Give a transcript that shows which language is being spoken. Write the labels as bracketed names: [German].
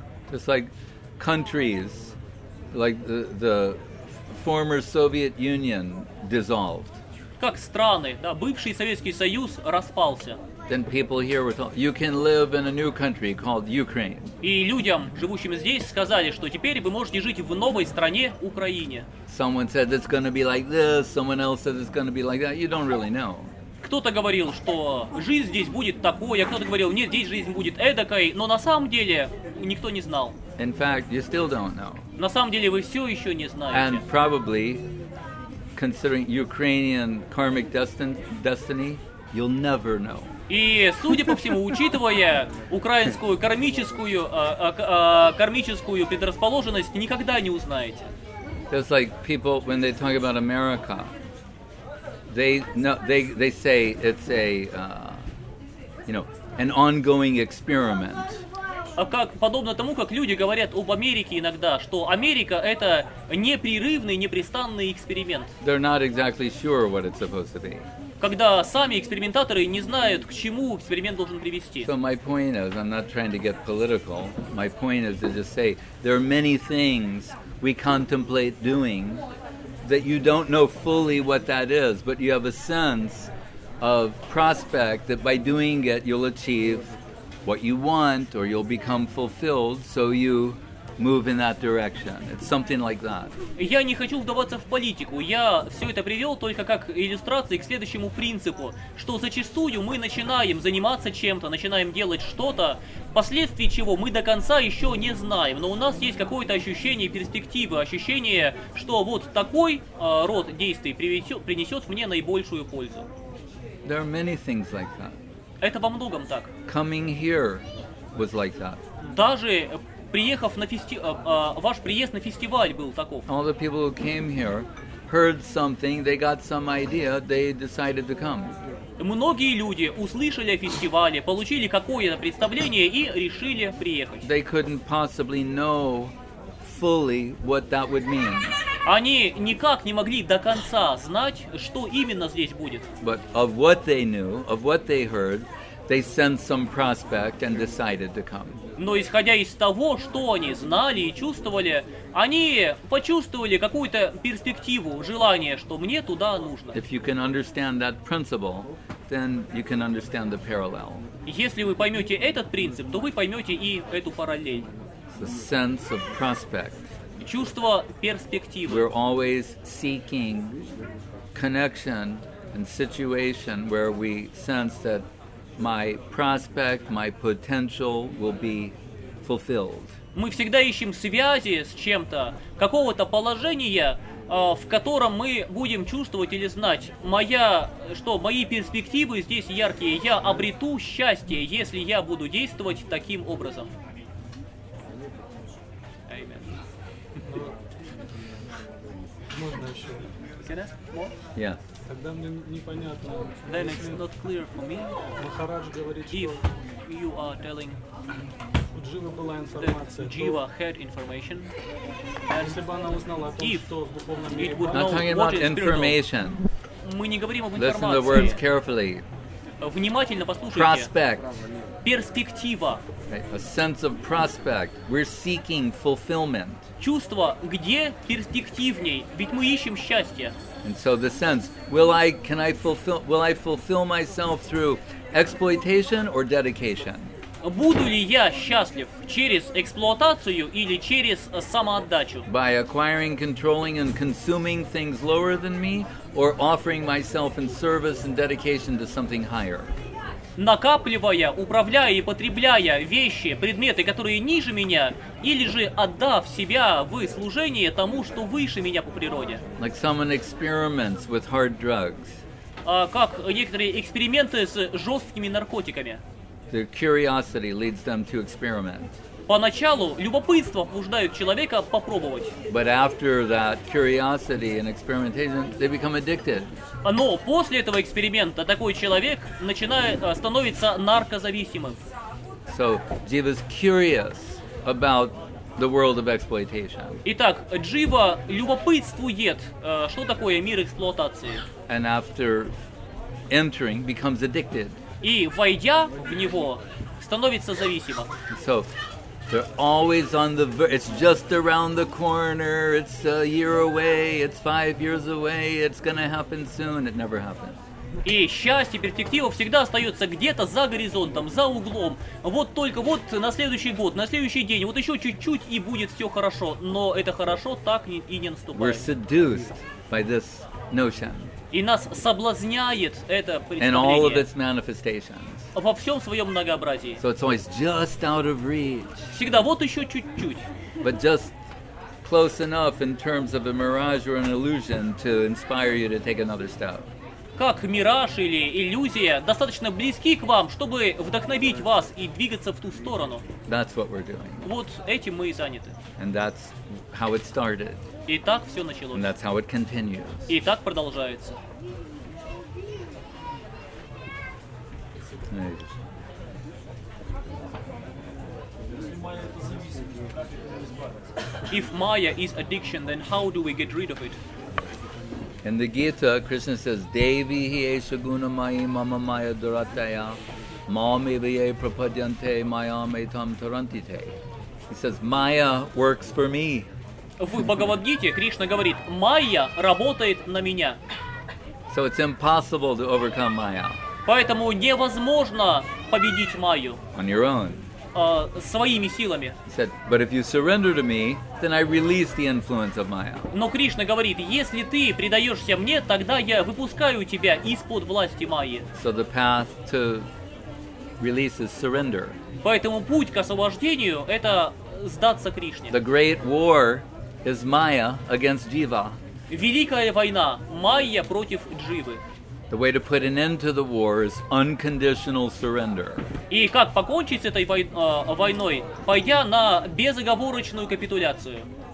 [English] Just like countries, like the former Soviet Union dissolved. [Russian] Как страны, да, бывший Советский Союз распался. [English] Then people here were told, you can live in a new country called Ukraine. [Russian] И людям, живущим здесь, сказали, что теперь вы можете жить в новой стране, Украине. [English] Someone said it's going to be like this, someone else said it's going to be like that. You don't really know. [Russian] Кто-то говорил, что жизнь здесь будет такой, а кто-то говорил, нет, здесь жизнь будет эдакой, но на самом деле никто не знал. [English] In fact, you still don't know. [Russian] На самом деле вы все еще не знаете. [English] And probably, considering Ukrainian karmic destiny, you'll never know. [Russian] И, судя по всему, учитывая украинскую кармическую предрасположенность, никогда не узнаете. [English] It's like people, when they talk about America, they say it's an ongoing experiment. [Russian] Как подобно тому, как люди говорят об Америке иногда, что Америка — это непрерывный, непрестанный эксперимент. [English] They're not exactly sure what it's supposed to be. [Russian] Когда сами экспериментаторы не знают, к чему эксперимент должен привести. [English] So my point is, I'm not trying to get political. My point is to just say, there are many things we contemplate doing that you don't know fully what that is, but you have a sense of prospect that by doing it, you'll achieve what you want or you'll become fulfilled, so you move in that direction. It's something like that. [Russian] Я не хочу вдаваться в политику. Я все это привел только как иллюстрации к следующему принципу, что зачастую мы начинаем заниматься чем-то, начинаем делать что-то, последствий чего мы до конца еще не знаем, но у нас есть какое-то ощущение перспективы, ощущение, что вот такой род действий принесет мне наибольшую пользу. [English] There are many things like that. [Russian] Это во многом так. [English] Coming here was like that. [Russian] Даже приехав на ваш приезд на фестиваль был таков. [English] All the people who came here heard something, they got some idea, they decided to come. [Russian] Многие люди услышали о фестивале, получили какое-то представление и решили приехать. [English] They couldn't possibly know fully what that would mean. [Russian] Они никак не могли до конца знать, что именно здесь будет. [English] But of what they knew, of what they heard, they sensed some prospect and decided to come. [Russian] Но исходя из того, что они знали и чувствовали, они почувствовали какую-то перспективу, желание, что мне туда нужно. [English] If you can understand that principle, then you can understand the parallel. [Russian] Если вы поймете этот принцип, то вы поймете и эту параллель. [English] The sense of prospect. [Russian] Чувство перспективы. [English] We're always seeking connection and situation where we sense that my prospect, my potential will be fulfilled. [Russian] Мы всегда ищем связи с чем-то, какого-то положения, в котором мы будем чувствовать или знать, мои перспективы здесь яркие, я обрету счастье, если я буду действовать таким образом. Можно еще? [English] Yeah. [Russian] Тогда мне непонятно. [English] Then it's not clear for me. [Russian] Махарадж говорит, что... [English] If you are telling... [Russian] У Джива была информация. [English] Джива had information. [Russian] Если бы она узнала о том, что в духовном мире... [English] We're not talking about information. [Russian] Мы не говорим об информации. [English] Listen to the words carefully. [Russian] Внимательно послушайте. [English] Prospect. [Russian] Перспектива. [English] A sense of prospect. We're seeking fulfillment. [Russian] Чувство, где перспективней, ведь мы ищем счастье. [English] And so the sense, will I fulfill myself through exploitation or dedication? [Russian] Буду ли я счастлив через эксплуатацию или через самоотдачу? [English] By acquiring, controlling and consuming things lower than me or offering myself in service and dedication to something higher? [Russian] Накапливая, управляя и потребляя вещи, предметы, которые ниже меня, или же отдав себя в служение тому, что выше меня по природе. [English] Like someone experiments with hard drugs. [Russian] Как некоторые эксперименты с жесткими наркотиками. [English] Their curiosity leads them to experiment. [Russian] Поначалу любопытство побуждает человека попробовать. [English] But after that curiosity and experimentation, they become addicted. [Russian] Но после этого эксперимента такой человек становится наркозависимым. [English] So Jiva's curious about the world of exploitation. [Russian] Итак, Джива любопытствует, что такое мир эксплуатации. [English] And after entering, becomes addicted. [Russian] И войдя в него, становится зависимым. [English] So they're always on the it's just around the corner, it's a year away, it's 5 years away, it's gonna happen soon, it never happens. [Russian] И счастье, перспектива всегда остается где-то за горизонтом, за углом. Вот только вот на следующий год, на следующий день, вот еще чуть-чуть и будет все хорошо. Но это хорошо так и не наступает. [English] We're seduced by this notion. [Russian] И нас соблазняет это представление. [English] And all of its manifestations. [Russian] Во всем своем многообразии. [English] So it's always just out of reach. [Russian] Всегда вот еще чуть-чуть. [English] But just close enough in terms of a mirage or an illusion to inspire you to take another step. [Russian] Как мираж или иллюзия, достаточно близки к вам, чтобы вдохновить вас и двигаться в ту сторону. [English] That's what we're doing. [Russian] Вот этим мы и заняты. [English] And that's how it started. [Russian] И так все началось. [English] And that's how it continues. [Russian] И так продолжается. [English] If Maya is addiction, then how do we get rid of it? In the Gita, Krishna says, [Sanskrit] Devi hi esha guna mayi mama maya durataya maami viye prapadyante mayam etam tarantite. [English] He says, Maya works for me. [Russian] В Бхагавад-гите Кришна говорит, Майя работает на меня. [English] So it's impossible to overcome Maya. [Russian] Поэтому невозможно победить Майю. [English] On your own. [Russian] Своими силами. [English] He said, but if you surrender to me, then I release the influence of Maya. [Russian] Но Кришна говорит, если ты предаешься мне, тогда я выпускаю тебя из-под власти Майи. [English] So the path to release is surrender. [Russian] Поэтому путь к освобождению – это сдаться Кришне. [English] The great war is Maya against Jiva. [Russian] Великая война – Майя против Дживы. [English] The way to put an end to the war is unconditional surrender. [Russian] И как покончить с этой войной, пойдя на безоговорочную капитуляцию?